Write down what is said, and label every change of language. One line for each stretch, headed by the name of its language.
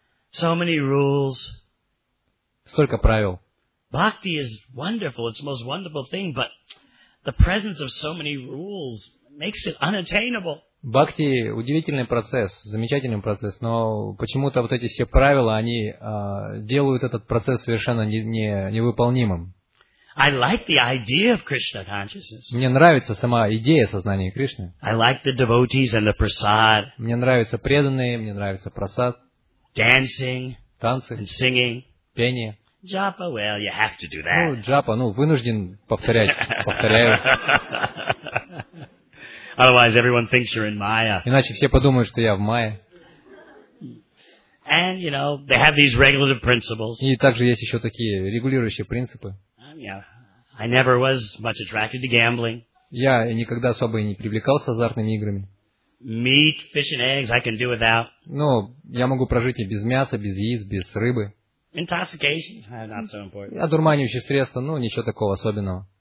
English: So many rules.
Russian: Столько правил.
English: Bhakti is wonderful, it's the most wonderful thing, but the presence of so many rules makes it unattainable.
Russian: Бхакти удивительный процесс, замечательный процесс, но почему-то вот эти все правила, они делают этот процесс совершенно невыполнимым.
English: I like the idea of Krishna consciousness.
Russian: Мне нравится сама идея сознания Кришны.
English: I like the devotees and the prasad.
Russian: Мне нравятся преданные, мне нравится прасад.
English: Dancing.
Russian: Танцы.
English: And singing.
Russian: Пение.
English: Japa, well, you have to do that.
Russian: Ну, Japa, вынужден повторяю.
English: Otherwise, everyone thinks you're in Maya.
Russian: Иначе все подумают, что я в Майе.
English: And, you know, they have these regulative principles.
Russian: И также есть еще такие регулирующие принципы.
English: I never was much attracted to gambling.
Russian: Я никогда особо не привлекался азартными играми.
English: Meat, fish and eggs, I can do without.
Russian: Ну, я могу прожить и без мяса, без яиц, без рыбы.
English: Intoxication, not so important.
Russian: Одурманивающие средства, ничего такого особенного.